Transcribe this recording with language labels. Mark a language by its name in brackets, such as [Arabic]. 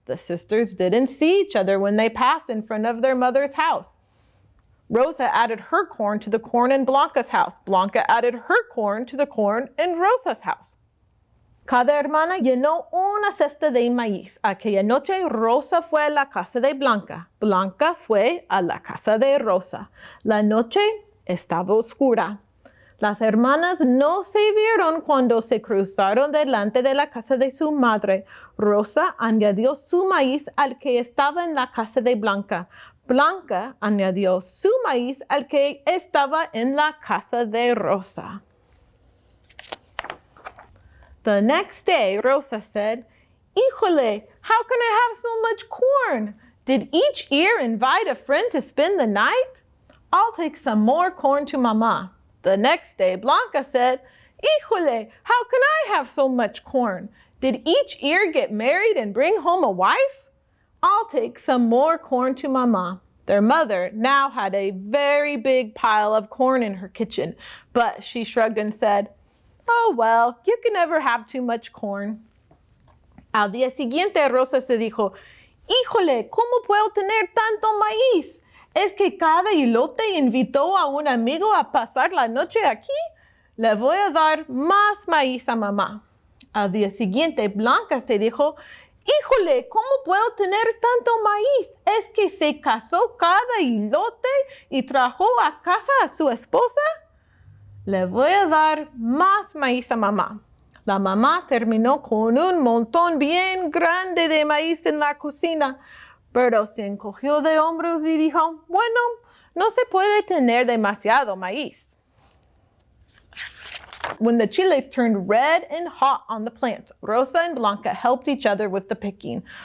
[English] The sisters didn't see each other when they passed in front of their mother's house. Rosa added her corn to the corn in Blanca's house. Blanca added her corn to the corn in Rosa's house. [Spanish] Cada hermana llenó una cesta de maíz. Aquella noche, Rosa fue a la casa de Blanca. Blanca fue a la casa de Rosa. La noche estaba oscura. Las hermanas no se vieron cuando se cruzaron delante de la casa de su madre. Rosa añadió su maíz al que estaba en la casa de Blanca. Blanca añadió su maíz al que estaba en la casa de Rosa. [English] The next day, Rosa said, híjole, how can I have so much corn? Did each ear invite a friend to spend the night? I'll take some more corn to mamá. The next day, Blanca said, híjole, how can I have so much corn? Did each ear get married and bring home a wife? I'll take some more corn to Mamá. Their mother now had a very big pile of corn in her kitchen, but she shrugged and said, oh well, you can never have too much corn. [Spanish] Al día siguiente, Rosa se dijo, híjole, ¿cómo puedo tener tanto maíz? ¿Es que cada elote invitó a un amigo a pasar la noche aquí? Le voy a dar más maíz a Mamá. Al día siguiente, Blanca se dijo, híjole, ¿cómo puedo tener tanto maíz? ¿Es que se casó cada elote y trajo a casa a su esposa? Le voy a dar más maíz a Mamá. La mamá terminó con un montón bien grande de maíz en la cocina, pero se encogió de hombros y dijo, bueno, no se puede tener demasiado maíz. [English] When the chiles turned red and hot on the plant, Rosa and Blanca helped each other with the picking.